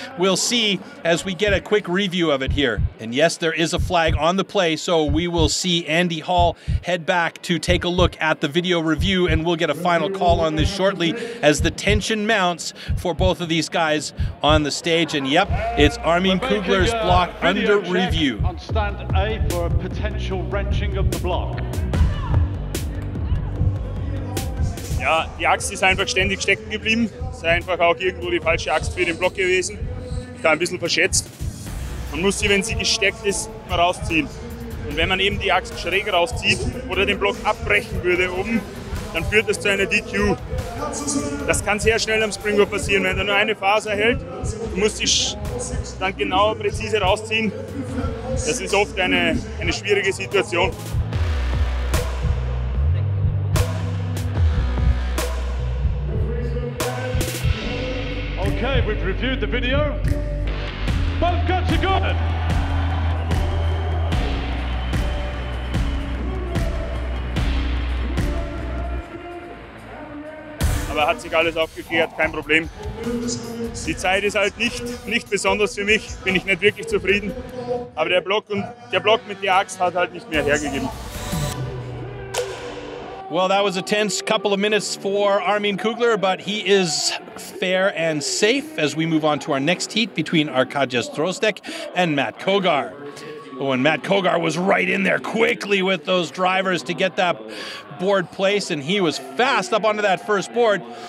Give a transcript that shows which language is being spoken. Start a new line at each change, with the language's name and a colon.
English: We'll see as we get a quick review of it here. And yes, there is a flag on the play, so we will see Andy Hall head back to take a look at the video review, and we'll get a final call on this shortly as the tension mounts for both of these guys on the stage. And yep, it's Armin Kugler's block under review. On stand A for a potential wrenching of the block.
German: Ja, die Axt ist einfach ständig stecken geblieben. Es ist einfach auch irgendwo die falsche Axt für den Block gewesen. Ich war ein bisschen verschätzt. Man muss sie, wenn sie gesteckt ist, immer rausziehen. Und wenn man eben die Axt schräg rauszieht oder den Block abbrechen würde oben, dann führt das zu einer DQ. Das kann sehr schnell am Springboard passieren, wenn er nur eine Faser hält. Du musst dich dann genau präzise rausziehen. Das ist oft eine schwierige Situation.
English: Okay, we've reviewed the video. Both cuts are good.
German: Aber hat sich alles aufgeklärt, kein Problem. Die Zeit ist halt nicht besonders für mich, bin ich nicht wirklich zufrieden. Aber der Block mit der Axt hat halt nicht mehr hergegeben.
English: Well, that was a tense couple of minutes for Armin Kugler, but he is fair and safe as we move on to our next heat between Arkadiusz Drozdek and Matt Kogar. Oh, and Matt Kogar was right in there quickly with those drivers to get that board placed, and he was fast up onto that first board.